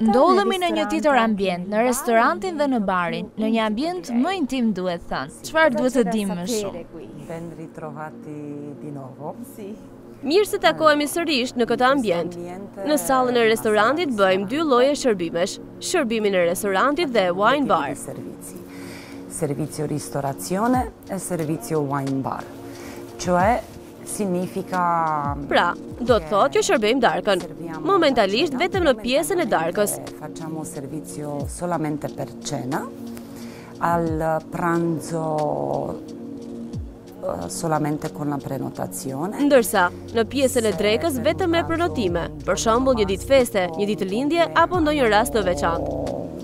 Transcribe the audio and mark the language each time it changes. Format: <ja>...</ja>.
<sq>Ndodhemi në një tjetër ambient, në restorantin dhe në barin, në një ambient më intim duhet thënë. Çfarë duhet të dim më shumë?</sq> <it>Ben ritrovati di nuovo. Si.</it> <sq>Mirë se takohemi sërish në këtë ambient. Në sallën e restorantit bëjmë dy lloje shërbimesh, shërbimin e restorantit dhe wine bar.</sq> <it>Servizio ristorazione e servizio wine bar. Cioè significa.</it> <sq>Pra, do të thotë që shërbejmë darkën. Momentalisht vetëm në pjesën e darkës.</sq> <it>Facciamo servizio solamente per cena. Al pranzo solamente con la prenotazione.</it> <sq>Ndërsa në pjesën e drekës vetëm me prenotime, për shembull një ditë feste, një ditë lindje apo ndonjë rast të veçantë.</sq>